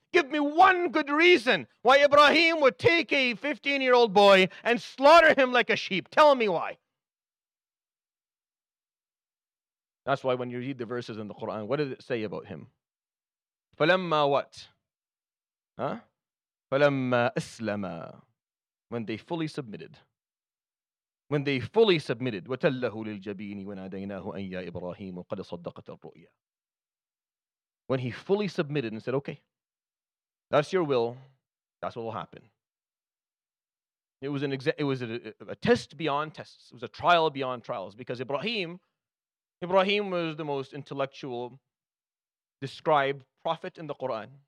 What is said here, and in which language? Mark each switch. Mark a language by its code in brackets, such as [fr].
[en] Give me one good reason why Ibrahim would take a 15-year-old boy and slaughter him like a sheep. Tell me why. That's why when you read the verses in the Quran, what did it say about him? Falamma what? Huh? Falamma aslama. When they fully submitted. When they fully submitted, [ar] وَتَلَّهُ لِلْجَبِينِ وَنَادَيْنَاهُ أَنْ يَا إِبْرَاهِيمُ قَدْ صَدَّقَتَ الرُّؤْيَا. [en] When he fully submitted and said, okay, that's your will, that's what will happen. It was a test beyond tests. It was a trial beyond trials because Ibrahim was the most intellectual described prophet in the Quran.